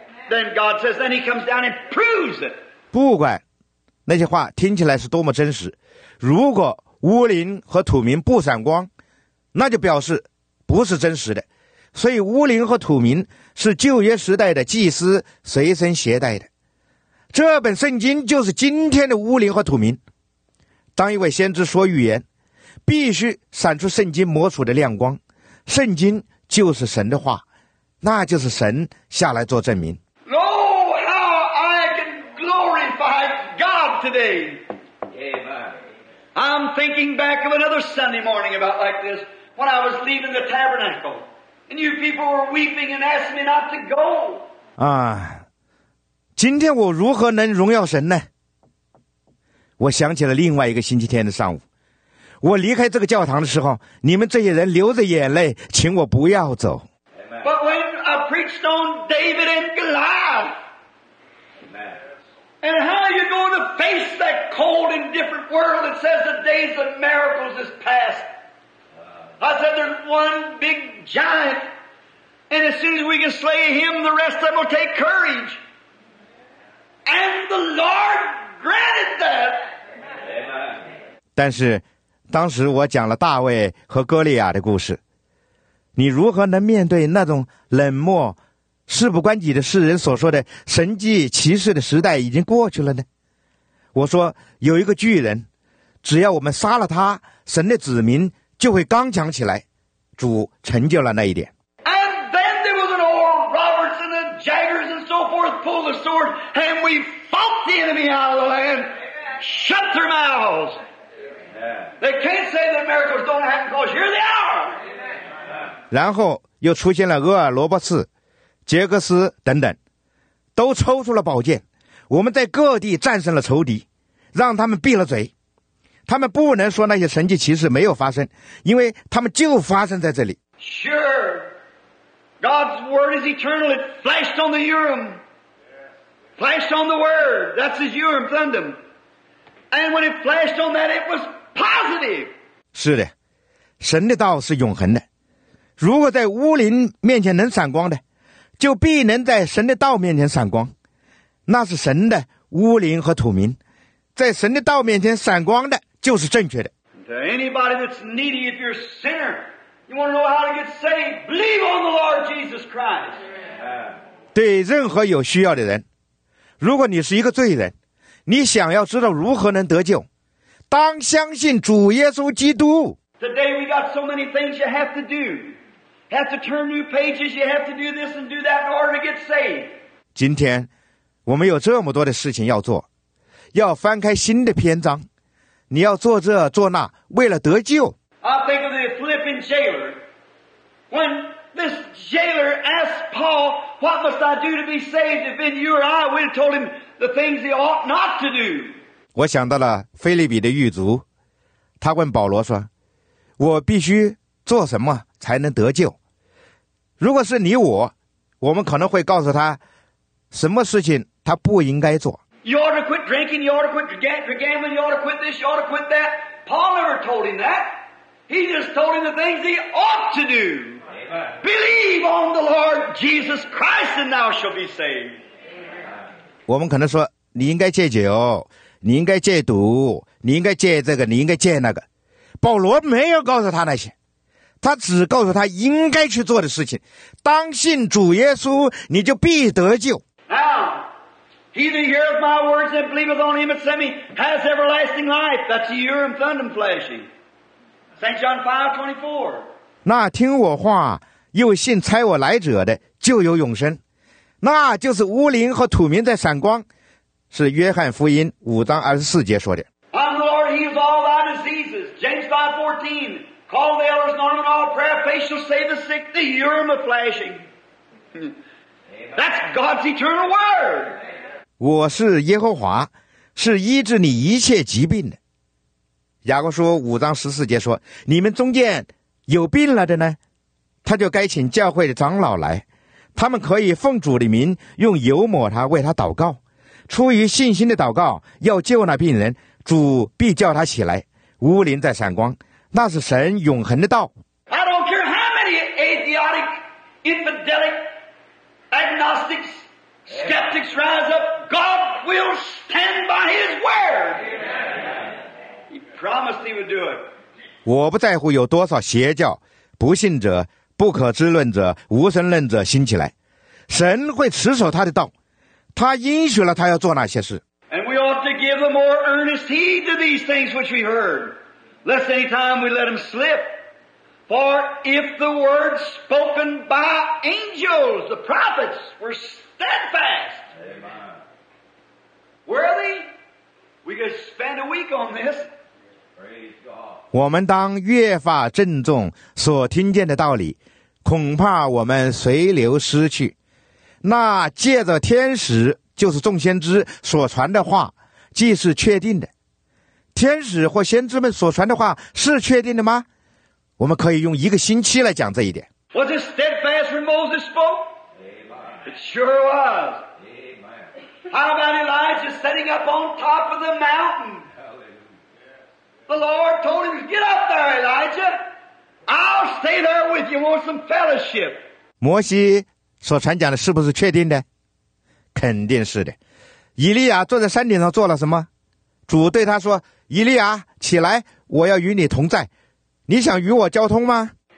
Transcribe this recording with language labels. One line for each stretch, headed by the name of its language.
English: Then God says, then he comes down and proves it.
Chinese: 不管那些话听起来是多么真实，如果乌灵和土明不闪光，那就表示不是真实的。所以乌灵和土明是旧约时代的祭司随身携带的，这本圣经就是今天的乌灵和土明。当一位先知说预言，必须闪出圣经摩索的亮光，圣经就是神的话，那就是神下来做证明。
English: Oh, how I can glorify God today. Amen. I'm thinking back of another Sunday morning about like this when I was leaving the tabernacle. And you people were weeping and asking me not to go.
Chinese: 啊，今天我如何能荣耀神呢？我想起了另外一个星期天的上午，我离开这个教堂的时候，你们这些人流着眼泪，请我不要走。
English: But when I preached on David and Goliath, and how are you going to face that cold and different world that says the days of miracles is past? I said there's one big giant, and as soon as we can slay him, the rest of them will take courage. And the Lord granted that.
Chinese: 但是当时我讲了大卫和歌利亚的故事，你如何能面对那种冷漠、事不关己的世人所说的神迹奇事的时代已经过去了呢？我说有一个巨人，只要我们杀了他，神的子民就会刚强起来，主成就了那一点。
English: And then there was an old Roberts and the Jaggers and so forth pulled the sword and we fought the enemy out of the land. Shut their mouths. They can't say that miracles don't happen because here they are.
Chinese: 然后又出现了厄尔罗伯茨、杰克斯等等，都抽出了宝剑，我们在各地战胜了仇敌，让他们闭了嘴。他们不能说那些神迹奇事没有发生，因为他们就发生在这里。
English: Sure, God's word is eternal. It flashed on the Urim, flashed on the word. That's his Urim Thummim. And when it flashed on that, it was positive.
Chinese: 是的，神的道是永恒的。如果在乌灵面前能闪光的，就必能在神的道面前闪光。那是神的乌灵和土民，在神的道面前闪光的，就是正确的。
English: To anybody that's needy, if you're a sinner, you want to know how to get saved, believe on the Lord Jesus Christ.
Chinese: 对任何有需要的人，如果你是一个罪人，你想要知道如何能得救，当相信主耶稣基督。
English: Today we got so many things you have to do. Have to turn new pages, you have to do this and do that in order to get saved.
Chinese: 今天我们有这么多的事情要做，要翻开新的篇章，你要做这做那，为了得救。
English: I think of the Philippian jailer. When this jailer asked Paul, what must I do to be saved? If in you or I, we told him the things he ought not to do.
Chinese: 我想到了腓立比的狱卒，他问保罗说，我必须做什么才能得救？如果是你我，我们可能会告诉他什么事情他不应该做。
English: You ought to quit drinking, you ought to quit gambling, you ought to quit this, you ought to quit that. Paul never told him that. He just told him the things he ought to do. Believe on the Lord Jesus Christ and thou shalt be saved.
Chinese: 我们可能说，你应该戒酒，你应该戒毒，你应该戒这个，你应该戒那个。保罗没有告诉他那些，他只告诉他应该去做的事情。当信主耶稣，你就必得救。
English: Now, he that heareth my words and believeth on him that sent me has everlasting life. That's the Urim Thummim flashing. St. John 5:24.
Chinese: 那听我话又信差我来者的就有永生，那就是乌灵和土民在闪光，是约翰福音5:24说的。
English: I'm the Lord, heals all thy diseases. James 5:14. Call the elders and on all prayer, faith shall save the sick, the Urim of flashing. That's God's eternal word.
Chinese: 我是耶和华，是医治你一切疾病的。雅各书5:14说，你们中间有病了的呢，他就该请教会的长老来，他们可以奉主的名用油抹他，为他祷告，出于信心的祷告要救那病人，主必叫他起来。乌灵在闪光，那是神永恒的道。
English: I don't care how many atheistic, infidelic, agnostics, skeptics rise up, God will stand by his word. He promised he would do it.
Chinese: 我不在乎有多少邪教不信者、不可知论者、无神论者兴起来，神会持守他的道，他应许了他要做那些事。
English: And we ought to give a more earnest heed to these things which we heard, lest any time we let them slip. For if the word spoken by angels, the prophets, were steadfast, worthy, we could spend a week on this. Praise God.
Chinese: 我们当越发郑重所听见的道理，恐怕我们随流失去。那借着天使，就是众先知所传的话，既是确定的。天使或先知们所传的话是确定的吗？我们可以用一个星期来讲这一点。
English: Was it steadfast when Moses spoke? Amen. It sure was. Amen. How about Elijah standing up on top of the mountain? Hallelujah. The Lord told him, get up there, Elijah. I'll stay there with you. Want some fellowship?
Chinese: 摩西所传讲的是不是确定的？肯定是的。以利亚坐在山顶上做了什么？主对他说，以利亚起来，我要与你同在，你想与我交通吗？